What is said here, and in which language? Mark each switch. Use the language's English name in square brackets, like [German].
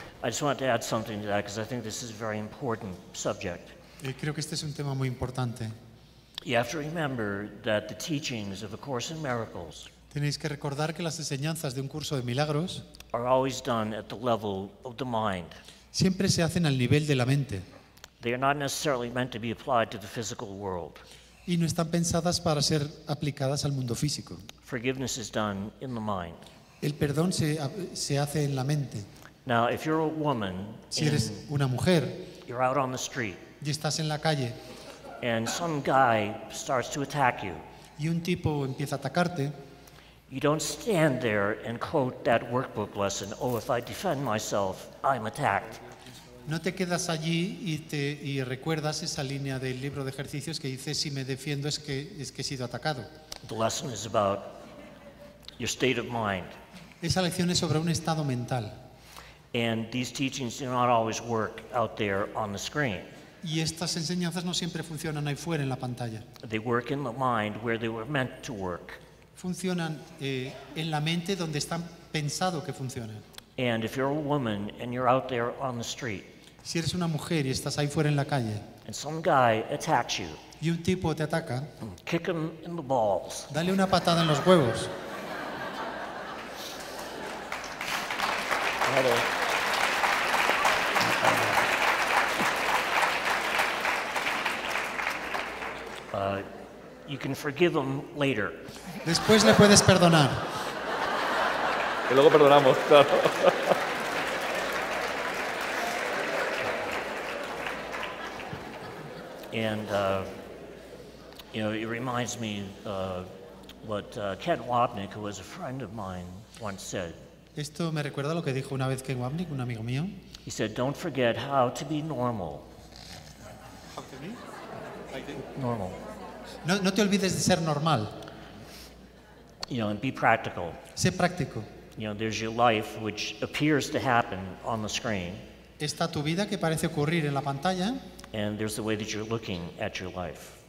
[English] I just want to add something to that because I think this is a very important subject. [Spanish] Creo que este es un tema muy importante. [English] You have to remember that the teachings of A Course in Miracles. [Spanish] Tenéis que recordar que las enseñanzas de Un Curso de Milagros [English] are always done at the level of the mind. [Spanish] Siempre se hacen al nivel de la mente. [English] They are not necessarily meant to be applied to the physical world. [Spanish] Y no están pensadas para ser aplicadas al mundo físico. [English] Forgiveness is done in the mind. [Spanish] El perdón se hace en la mente. [English] Now, if you're a woman, [Spanish] si eres una mujer, [English] you're out on the street, [Spanish] y estás en la calle, [English] and some guy starts to attack you, [Spanish] y un tipo empieza a atacarte, [English] you don't stand there and quote that workbook lesson, oh, if I defend myself, I'm attacked. [Spanish] No te quedas allí y recuerdas esa línea del libro de ejercicios que dice: si me defiendo es que he sido atacado. [English] The lesson is about your state of mind. [Spanish] Esa lección es sobre un estado mental. [English] And these teachings do not always work out there on the screen. [Spanish] Y estas enseñanzas no siempre funcionan ahí fuera en la pantalla. [English] They work in the mind where they were meant to work. [Spanish] Funcionan en la mente donde están pensado que funcionen. [English] And if you're a woman and you're out there on the street, [Spanish] si eres una mujer y estás ahí fuera en la calle, [English] and some guy attacks you, [Spanish] y un tipo te ataca, [English] kick him in the balls. [Spanish] Dale una patada en los huevos. Claro. [English] Uh, You can forgive them later. [Spanish] Después le puedes perdonar. Y luego perdonamos, claro. [English] And you know, it reminds me what Ken Wapnick, who was a friend of mine, once said. [Spanish] Esto me recuerda lo que dijo una vez Ken Wapnick, un amigo mío. [English] He said, "Don't forget how to be normal." How to be? Normal. [Spanish] No te olvides de ser normal. [English] You know, and be practical. [Spanish] Sé práctico. [English] You know, there's your life, which appears to happen on the screen. [Spanish] Está tu vida que parece ocurrir en la pantalla. [English] And there's the way that you're looking at your life.